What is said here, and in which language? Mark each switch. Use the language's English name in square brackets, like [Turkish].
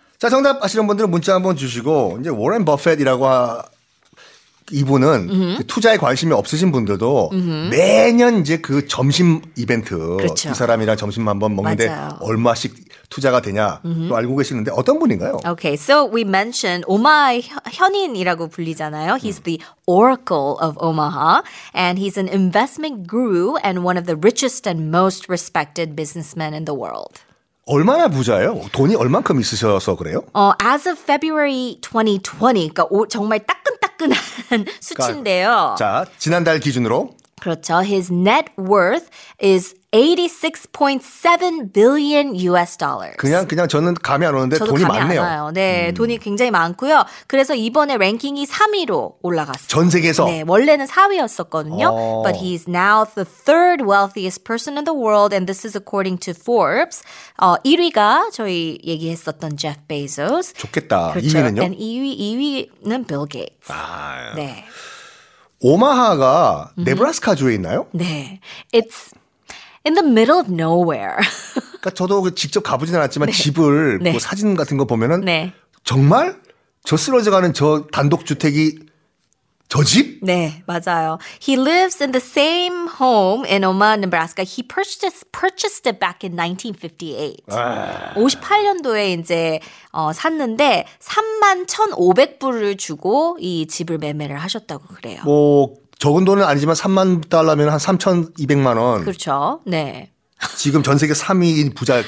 [Korean] 자, 정답 아시는 분들은 문자 한번 주시고, 이제 워렌 버핏이라고 이분은 투자에 관심이 없으신 분들도 매년 이제 그 점심 이벤트 그렇죠. 이 사람이랑 점심 한번 먹는데 얼마씩 투자가 되냐 또 알고 계시는데 어떤 분인가요? [English] Okay, so we mentioned Omaha [Korean] 현인이라고 불리잖아요. [English] He's the oracle of Omaha and he's an investment guru and one of the richest and most respected businessmen in the world. [Korean] 얼마나 부자예요? 돈이 얼만큼 있으셔서 그래요? [English] As of February 2020, [Korean] 그러니까 정말 따끈따끈한 수치인데요. 자, 지난달 기준으로. 그렇죠. [English] His net worth is 86.7 billion US dollars. [Korean] 그냥 저는 감이 안 오는데 저도 돈이 감이 많네요. 안 와요. 네, 돈이 굉장히 많고요. 그래서 이번에 랭킹이 3위로 올라갔어요. 전 세계에서. 네, 원래는 4위였었거든요. 어. [English] But he's now the third wealthiest person in the world and this is according to Forbes. [Korean] 1위가 저희 얘기했었던 Jeff Bezos. 좋겠다. 그렇죠? 2위는요? And 2위는 Bill Gates. 아. 네. 오마하가 네브라스카 주에 있나요? [English] 네. It's in the middle of nowhere. [Korean] 그러니까 저도 직접 가보진 않았지만 네. 집을 네. 뭐 사진 같은 거 보면은 네. 정말 저 쓰러져 가는 저 단독 주택이 저 집? 네, 맞아요. [English] He lives in the same home in Omaha, Nebraska. He purchased it back in 1958. [Korean] 아. 58년도에 이제 샀는데 31,500불을 주고 이 집을 매매를 하셨다고 그래요. 뭐 적은 돈은 아니지만 3만 달러면 한 3,200만 원. 그렇죠. 네. 지금 전 세계 3위인 부자.